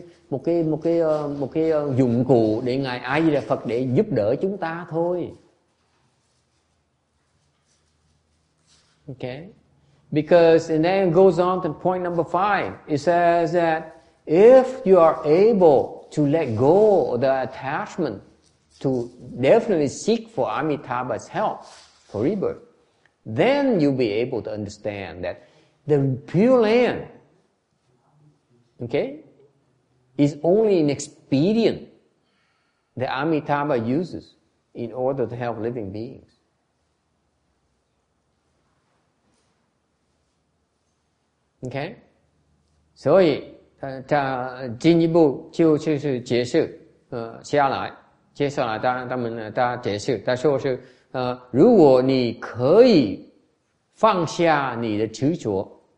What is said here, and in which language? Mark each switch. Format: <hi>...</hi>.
<vi>Một cái dụng cụ để ngài A Di Đà Phật để giúp đỡ chúng ta thôi.</vi> <en>Okay. Because, and then it goes on to point number 5. It says that if you are able to let go of the attachment to definitely seek for Amitabha's help for rebirth, then you'll be able to understand that the Pure Land, okay, is only an expedient that Amitabha uses in order to help living beings.</en> <zh>OK, 所以他进一步就是解释，下来，接下来他们他解释，他说是，如果你可以放下你的执着，</zh>